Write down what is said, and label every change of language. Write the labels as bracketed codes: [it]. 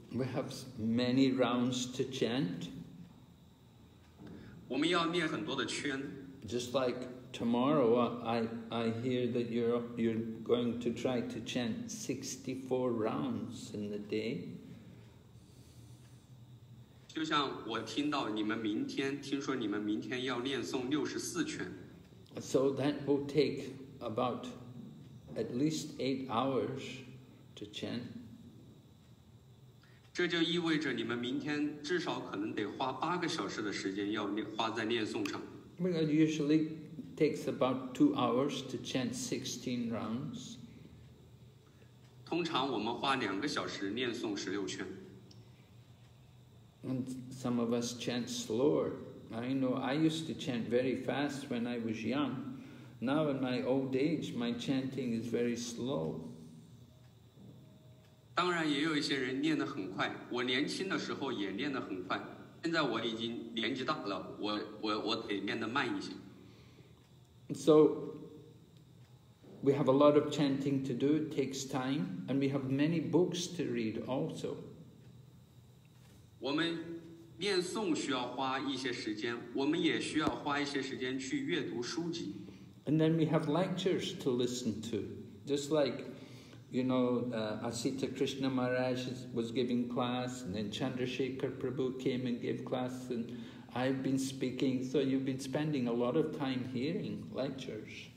[en] We have many rounds to chant. [zh] 我们要念很多的圈。 [en] Just like tomorrow, I hear that you're going to try to chant 64 rounds in the day. [zh] 就像我听到你们明天，听说你们明天要念诵64圈。 [en] So that will take about at least 8 hours to chant. [zh] 这就意味着你们明天至少可能得花八个小时的时间要花在念诵上。 [en] It usually takes about 2 hours to chant 16 rounds. [zh] 通常我们花两个小时念诵十六圈。 [en] And some of us chant slower. I know I used to chant very fast when I was young. Now in my old age, my chanting is very slow. [zh] 当然也有一些人念得很快，我年轻的时候也念得很快，现在我已经年纪大了，我得念得慢一些。 [en] So we have a lot of chanting to do. It takes time, and we have many books to read also. [zh] 我们念诵需要花一些时间，我们也需要花一些时间去阅读书籍。 [en] And then we have lectures to listen to, just like, you know, Asita Krishna Maharaj was giving class, and then Chandrasekhar Prabhu came and gave class, and I've been speaking, so you've been spending a lot of time hearing lectures.